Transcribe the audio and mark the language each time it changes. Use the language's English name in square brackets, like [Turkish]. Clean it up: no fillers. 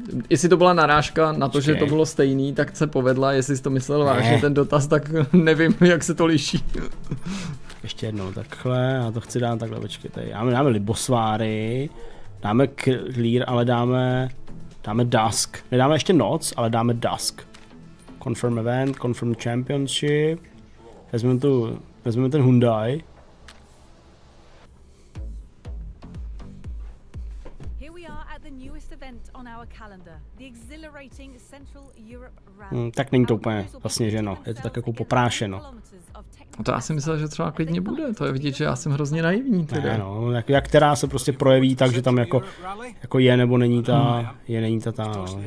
[Czech] Jestli to byla narážka na to, že to bylo stejný, tak se povedla, jestli jsi to myslel vážně ten dotaz, tak nevím, jak se to liší. Ještě jednou takhle, já to chci dát takhle, počkejte, já dáme libosváry. Dáme clear, ale dáme dusk. Nedáme ještě noc, ale dáme dusk. [English] Confirm event, confirm championship. [Czech] Vezmeme ten Hyundai. [English] Here we are at the newest event on our calendar, the exhilarating Central Europe Rally. [Czech] Tak není to úplně zasněženo, je to tak jako poprášeno. No to já jsem myslel, že třeba klidně bude, to je vidět, že já jsem hrozně naivní tedy. Ne, no, jak která se prostě projeví tak, že tam jako je nebo není ta, je není ta, no.